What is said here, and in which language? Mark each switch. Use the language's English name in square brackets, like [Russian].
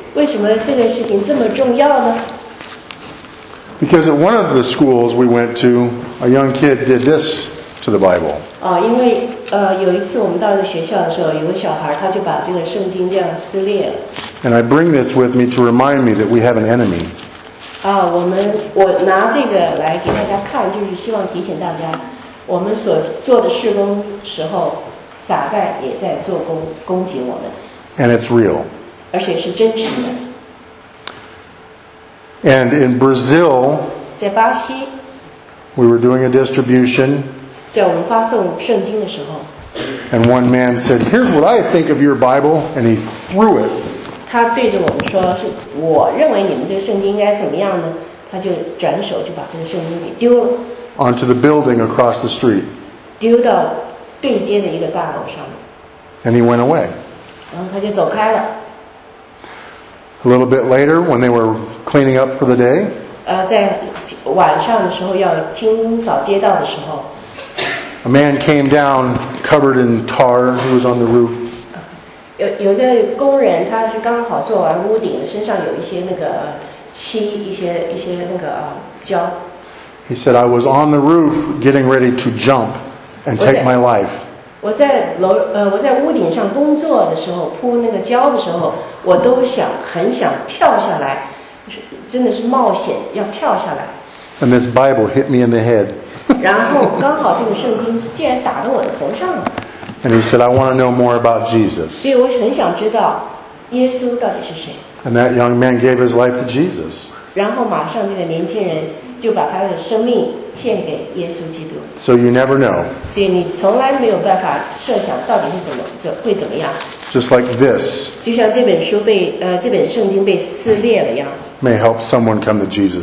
[Chinese] 为什么这个事情这么重要呢 [English] ？Because at one of the schools we went to, a young kid did this to the Bible. [Chinese] 哦，因为有一次我们到了学校的时候，有个小孩他就把这个圣经这样撕裂了。 [English] And I bring this with me to remind me that we have an enemy. [Chinese] 我拿这个来给大家看，就是希望提醒大家，我们所做的事工时候，撒旦也在做攻击我们。 [English] And it's real. [Chinese] 而且是真实的。 [English] And in Brazil, [Chinese] 在巴西 [English] we were doing a distribution. [Chinese] 在我们发送圣经的时候 [English] and one man said, "Here's what I think of your Bible," and he threw it. [Chinese] 他对着我们说是我认为你们这个圣经应该怎么样呢他就转手就把这个圣经给丢了 [English] onto the building across the street [Chinese] 丢到对接的一个大楼上 [English] and he went away [Chinese] 然后他就走开了 [English] a little bit later when they were cleaning up for the day [Chinese] 在晚上的时候要清扫街道的时候 [English] a man came down covered in tar who was on the roof [Chinese] 有个工人，他是刚好做完屋顶，身上有一些那个漆，一些那个胶。 [English] He said, "I was on the roof, getting ready to jump and take my life." [Chinese] 我在屋顶上工作的时候，铺那个胶的时候，我都想很想跳下来，真的是冒险要跳下来。 [English] And this Bible hit me in the head. [Chinese] 然后刚好这个圣经竟然打到我的头上了。 [English] And he said, "I want to know more about Jesus." [Chinese] 对，我很想知道耶稣到底是谁。 [English] And that young man gave his life to Jesus. [Chinese] 然后马上这个年轻人就把他的生命献给耶稣基督。 [English] So you never know. [Chinese] 所以你从来没有办法设想到底是会怎么样。 [English] Just like this. [Chinese] 就像这本书被这本圣经被撕裂了样子。 [English] May help someone come to Jesus.